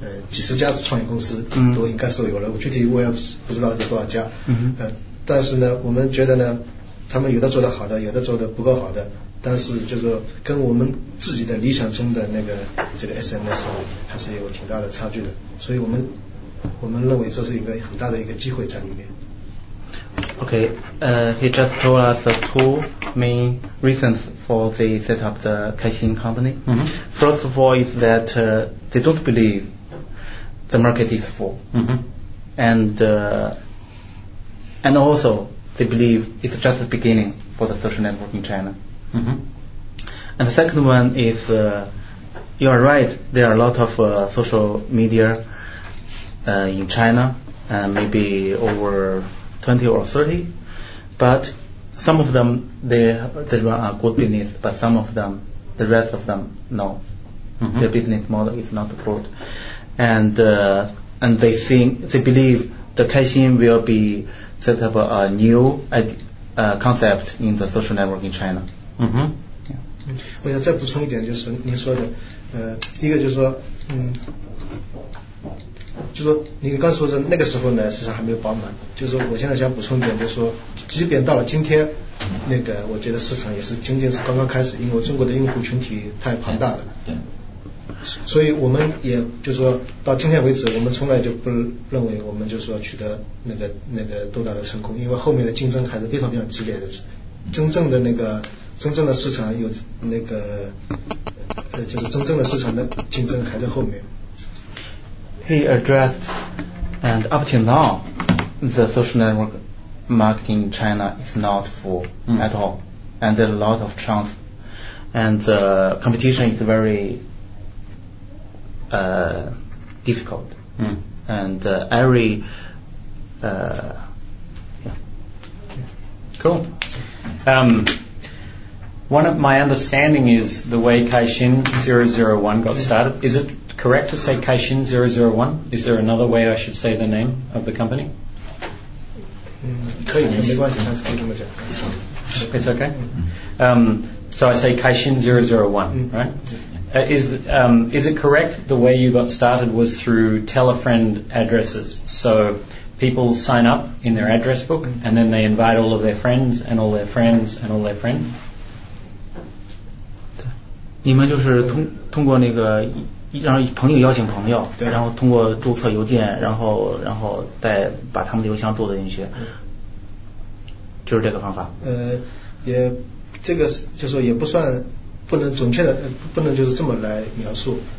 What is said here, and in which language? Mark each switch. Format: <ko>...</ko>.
<zh>几十家创业公司都应该是有了，具体我也不知道有多少家，但是呢，我们觉得呢，他们有的做得好的，有的做得不够好的，但是就是跟我们自己的理想中的那个这个 SMS 还是有挺大的差距的，所以我们认为这是一个很大的一个机会在里面。</zh> <en>Okay, he just told us the two main reasons for they set up the Kaixin company. Mm-hmm. First of all is that they don't believe the market is full. Mm-hmm. And also they believe it's just the beginning for the social network in China. Mm-hmm. And the second one is you are right, there are a lot of social media in China, maybe over 20 or 30, but some of them they run a good business, but some of them, the rest of them, no. Mm-hmm. Their business model is not good, and they believe the Kaixin will be set up a new concept in the social network in China. Mm-hmm.</en> <zh>Yeah. 我想再补充一点，就是您说的，一个就是说，就说你刚说的那个时候呢，市场还没有饱满。就是我现在想补充一点，就是说，即便到了今天，那个我觉得市场也是仅仅是刚刚开始，因为中国的用户群体太庞大了。对。所以我们也就是说到今天为止，我们从来就不认为我们就是说取得那个多大的成功，因为后面的竞争还是非常非常激烈的。真正的市场有那个，就是真正的市场的竞争还在后面。</zh> <en>He addressed, and up till now, the social network marketing in China is not full at all, and there's a lot of chance, and the competition is very difficult, and every Cool. One of my understanding is the way Kaixin 001 got started. Is it correct to say Kaixin 001? Is there another way I should say the name of the company? It's okay. So I say Kaixin 001, right? Is it correct the way you got started was through telefriend addresses? So people sign up in their address book and then they invite all of their friends and all their friends and all their friends?</en> <zh>你们就是通过那个让朋友邀请朋友，对，然后通过注册邮件，然后再把他们的邮箱注册进去，就是这个方法。也这个就是也不算不能准确的，不能就是这么来描述。</zh>